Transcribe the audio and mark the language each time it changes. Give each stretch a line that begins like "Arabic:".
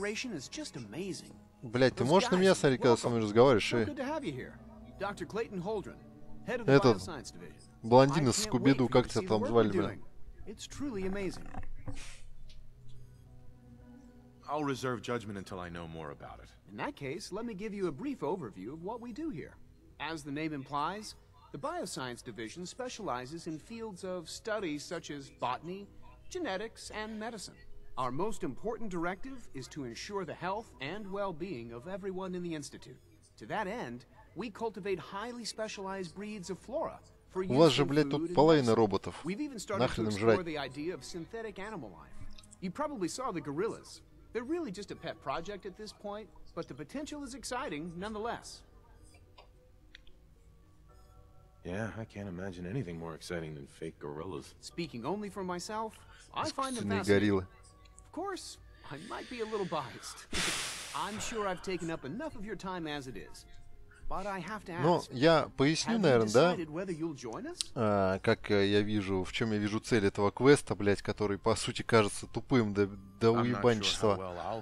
Russian: Огонь. Блять, ты можешь на меня смотреть, когда со мной разговариваешь?
English: Доктор Клейтон Холдрен, head of the Bioscience Division.
Russian: Блондин из Скуби-Ду, как тебя там звали, блин?
English: It's truly amazing. I'll reserve judgment until I know more about it. In that case, let me give you a brief overview of what we do here. As the name implies, the Bioscience Division specializes in fields of study such as botany, genetics, and medicine. Our most important directive is to ensure the health and well-being of everyone in the Institute. To that end, we cultivate highly specialized breeds of flora for use.
Russian: У вас же, блядь, тут половина роботов. Нахрен им жрать.
English: The idea of synthetic animal life. You probably saw the gorillas. They're really just a pet project at this point, but the potential is exciting nonetheless. Yeah, I can't imagine anything more exciting than fake gorillas. Speaking only for myself, I find them fascinating. Of course, I might be a little biased. I'm sure I've taken up enough of your time as it is.
Russian: Но я поясню, наверное, да, как я вижу, в чем я вижу цель этого квеста, блядь, который, по сути, кажется тупым до уебанчества.